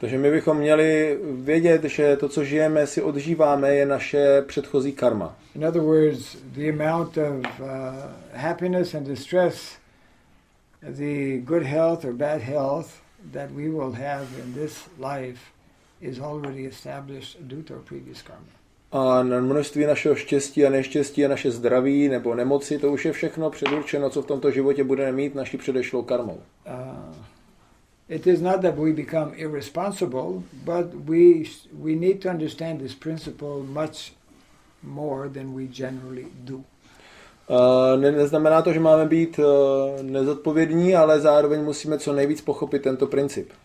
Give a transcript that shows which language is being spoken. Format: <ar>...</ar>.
<cs>Takže my bychom měli vědět, že to, co žijeme, si odžíváme, je naše předchozí karma.</cs> <en>In other words, the amount of happiness and distress, the good health or bad health that we will have in this life is already established due to our previous karma.</en> <cs>A na množství našeho štěstí a neštěstí a naše zdraví nebo nemoci, to už je všechno předurčeno, co v tomto životě budeme mít naší předešlou karmou.</cs> <en>It is not that we become irresponsible, but we need to understand this principle much more than we generally do.</en> <cs>Neznamená to, že máme být nezodpovědní, ale zároveň musíme co nejvíc pochopit tento princip.</cs>